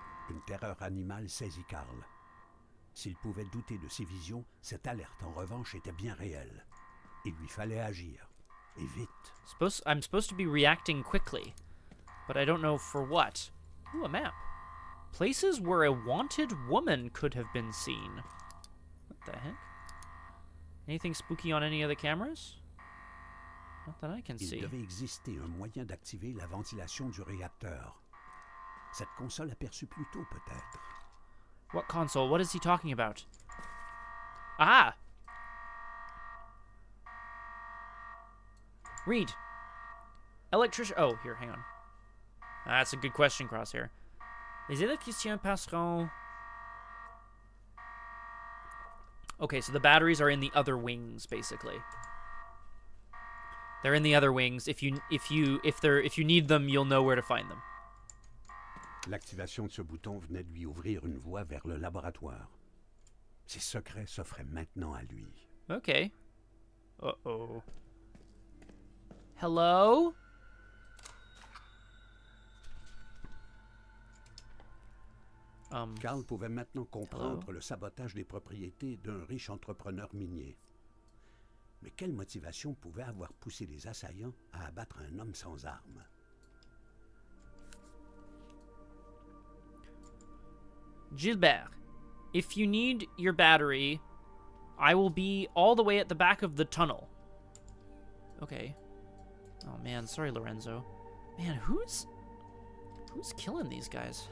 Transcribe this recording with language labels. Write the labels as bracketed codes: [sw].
[fr] Une terreur animale saisit Carl. S'il pouvait douter de ses visions, cette alerte, en revanche, était bien réelle. Il lui fallait agir. Et vite. [en] I'm supposed to be reacting quickly. But I don't know for what. Ooh, a map. Places where a wanted woman could have been seen. What the heck? Anything spooky on any of the cameras? Not that I can see. [fr] Il devait exister un moyen d'activer la ventilation du réacteur. Cette console aperçut plus tôt, peut-être. [en] What console? What is he talking about? Ah! Reed! Electrician. Oh, here, hang on. That's a good question, Crosshair. [fr] Les électriciens passeront. [en] Okay, so the batteries are in the other wings, basically. They're in the other wings. If you need them, you'll know where to find them. [fr] L'activation de ce bouton venait de lui ouvrir une voie vers le laboratoire. Ses secrets s'offraient maintenant à lui. [en] Okay. Uh-oh. Hello? [fr] Carl pouvait maintenant comprendre le sabotage des propriétés d'un riche entrepreneur minier. Mais quelle motivation pouvait avoir poussé les assaillants à abattre un homme sans armes? [en] Gilbert, if you need your battery, I will be all the way at the back of the tunnel. Okay. Oh man, sorry Lorenzo. Man, who's killing these guys?